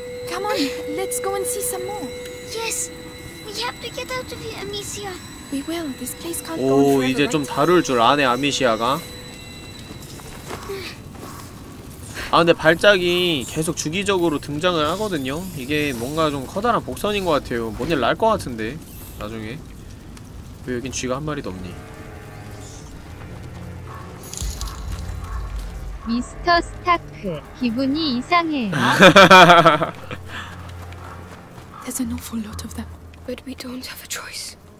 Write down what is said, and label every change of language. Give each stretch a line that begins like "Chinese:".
English: Come on, let's go and see some more. Yes, we have to get out of here, Amicia. We will. This place can't go on forever.
Korean: 오, 이제 좀 다룰 줄 아네, 아미시아가. 아, 근데 발작이 계속 주기적으로 등장을 하거든요. 이게 뭔가 좀 커다란 복선인 것 같아요. 뭔 일 날 것 같은데, 나중에. 왜 여긴 쥐가 한 마리도 없니? 미스터 스타크, 기분이 이상해.
English: There's an awful lot of them, but we don't have a choice.